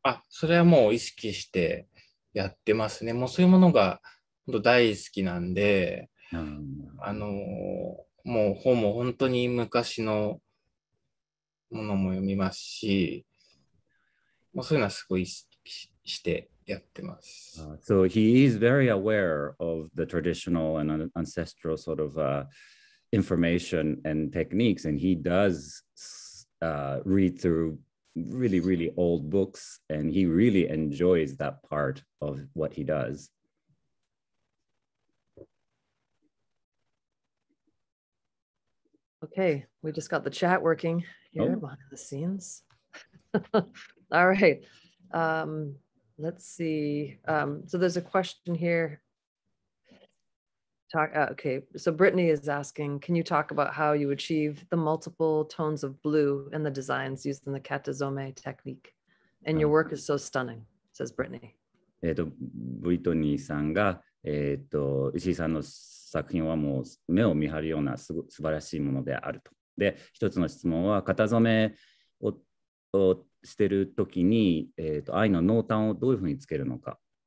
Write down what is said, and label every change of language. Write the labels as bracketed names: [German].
[Japanese] あ、それはもう意識してやってますね。もうそういうものが本当大好きなんで、もう本も本当に昔のものも読みますし、もうそういうのはすごい意識してやってます。 [English] So he is very aware of the traditional and ancestral sort of information and techniques, and he does read through really, really old books, and he really enjoys that part of what he does. Okay, we just got the chat working here behind the scenes. All right. Let's see. So there's a question here. So Brittany is asking, can you talk about how you achieve the multiple tones of blue in the designs used in the katazome technique? And your work is so stunning, says Brittany. [Japanese] Brittany さんが、石井さんの作品はもう目を見張るようなすご素晴らしいものであると。で、一つの質問は、katazome をしてるときに、藍の濃淡をどういうふうにつけるのか。